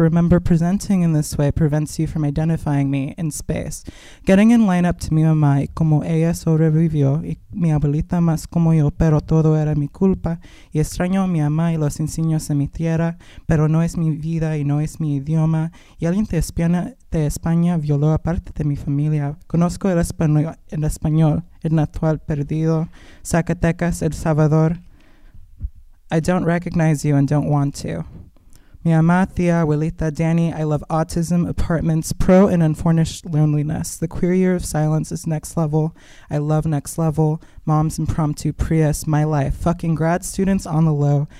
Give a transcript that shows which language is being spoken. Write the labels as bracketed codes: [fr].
[en] Remember, presenting in this way prevents you from identifying me in space. Getting in line up to [es] mi mamá y como ella sobrevivió y mi abuelita más como yo, pero todo era mi culpa. Y extraño a mi mamá y los insignios de mi tierra, pero no es mi vida y no es mi idioma. Y alguien de España violó a parte de mi familia. Conozco el español, el natural perdido, Zacatecas, El Salvador. [en] I don't recognize you and don't want to. [es] Mi mamá, tía, abuelita, [en] Danny, I love autism, apartments, pro and unfurnished loneliness. The queer year of silence is next level. I love next level. Mom's impromptu Prius, my life. Fucking grad students on the low.